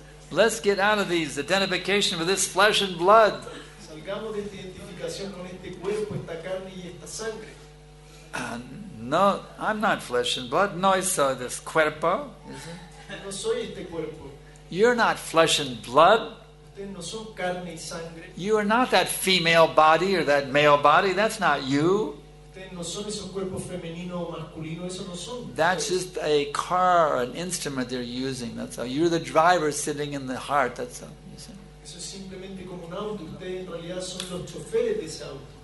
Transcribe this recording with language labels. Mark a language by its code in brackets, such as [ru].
[en] Let's get out of these identification with this flesh and blood. [es] Salgamos de esta identificación con este cuerpo, esta carne y esta sangre. [en] No, I'm not flesh and blood. No, I saw this cuerpo. Is it? [es] No soy este cuerpo. [en] You're not flesh and blood. [es] Usted no son carne y sangre. [en] You are not that female body or that male body. That's not you. [es] Usted no son esos cuerpos femenino o masculino. Eso no son. [en] That's just a car or an instrument they're using. That's all. You're the driver sitting in the heart. That's all. You see? [es] Eso es simplemente como un auto. Usted en realidad son los choferes de ese auto.